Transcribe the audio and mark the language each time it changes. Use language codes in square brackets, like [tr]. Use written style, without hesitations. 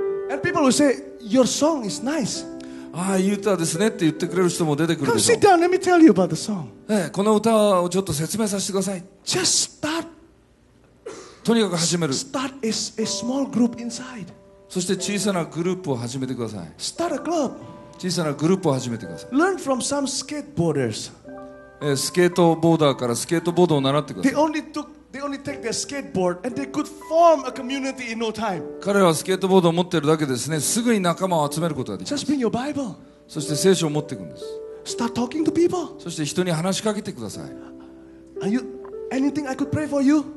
[en] And people will say, your song is nice. [ja] ああ、いい歌ですねって言ってくれる人も出てくるでしょう。 [en] Come sit down, let me tell you about the song. [ja] この歌をちょっと説明させてください。 [en] Just start. [ja] とにかく始める。 [en] Start a small group inside. [ja] そして小さなグループを始めてください。 [en] Start a club. [ja] 小さなグループを始めてください。 [en] Learn from some skateboarders. [ja] スケートボーダーからスケートボードを習ってください。 [en] They only take their skateboard and they could form a community in no time. [ja] 彼はスケートボードを持ってるだけですね。すぐに仲間を集めることができます。 [en] Just bring your Bible. [ja] そして聖書を持っていくんです。 [en] Start talking to people. [ja] そして人に話しかけてください。 [en] Are you anything I could pray for you?